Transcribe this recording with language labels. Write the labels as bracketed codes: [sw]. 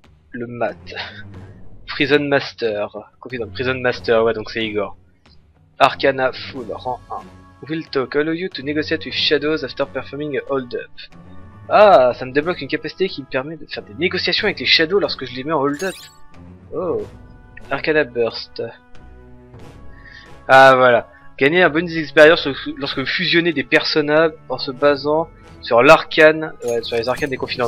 [fr] Le mat. Prison Master. Confident, Prison Master, ouais, donc c'est Igor. Arcana Full, rang 1. [en] Will talk, allow you to negotiate with shadows after performing a hold up. [fr] Ah, ça me débloque une capacité qui me permet de faire des négociations avec les shadows lorsque je les mets en hold up. Oh. Arcana Burst. Ah, voilà. Gagner un bonus d'expérience lorsque vous fusionnez des personnages en se basant sur l'arcane, sur les arcanes des confidents.